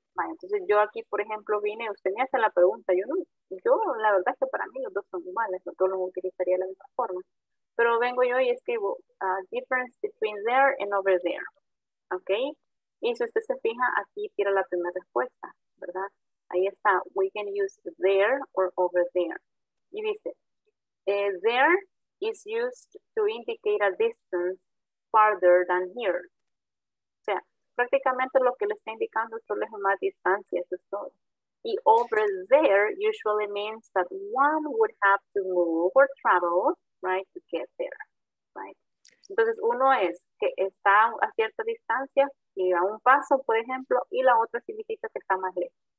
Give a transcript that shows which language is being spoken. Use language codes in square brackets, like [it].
[es] Vale, entonces yo aquí, por ejemplo, vine, usted me hace la pregunta. Yo la verdad es que para mí los dos son iguales, los dos los utilizaría de la misma forma. Pero vengo yo y escribo [en] difference between there and over there. [es] ¿Ok? Y si usted se fija, aquí tira la primera respuesta, ¿verdad? Ahí está, [en] we can use there or over there. [es] Y dice, [en] there is used to indicate a distance farther than here. [es] O sea, prácticamente lo que le está indicando solo es una distancia, eso es todo. [en] Y over there usually means that one would have to move or travel, right, to get there, right? [es] Entonces, uno es que está a cierta distancia y a un paso, por ejemplo, y la otra significa que está más lejos.